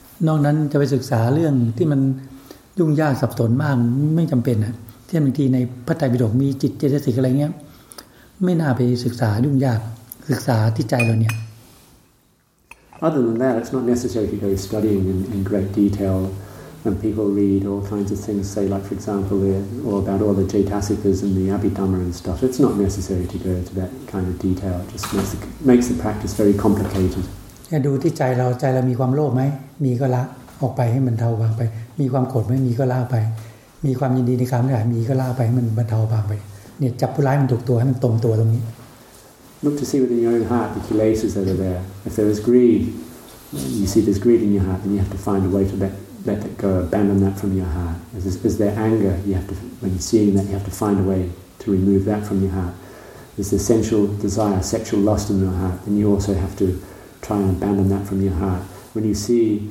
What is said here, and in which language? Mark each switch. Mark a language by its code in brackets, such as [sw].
[th] นอกนั้นจะไปศึกษาเรื่องที่มันยุ่งยากสับสนมากไม่จำเป็นนะเช่นบางทีในพระไตรปิฎกมีจิตเจตสิกอะไรเงี้ยไม่น่าไปศึกษายุ่งยากศึกษาที่ใจเราเนี่ย [en] Other than that, it's not necessary to go studying in great detail. When people read all kinds of things, say like for example, all about all the Jetasikas and the Abhidhamma and stuff, it's not necessary to go into that kind of detail. It just makes the practice very complicated. [th] แค่ดูที่ใจเราใจเรามีความโลภไหมมีก็ละออกไปให้มันเทาบางไปมีความโกรธไหมมีก็ละไปมีความยินดีในความไม่มีก็ล่าไปมันบรรเทาบางไปเนี่ยจับผู้ร้ายมันถูกตัวให้มันตรงตัวตรงนี้ [en] Look to see within your own heart the kilesas that are there. If there is greed, you see there's greed in your heart, then you have to find a way to let that go, abandon that from your heart. Is there anger? You have to, when you're seeing that, you have to find a way to remove that from your heart. Is there sensual desire, sexual lust in your heart? Then you also have to try and abandon that from your heart. When you see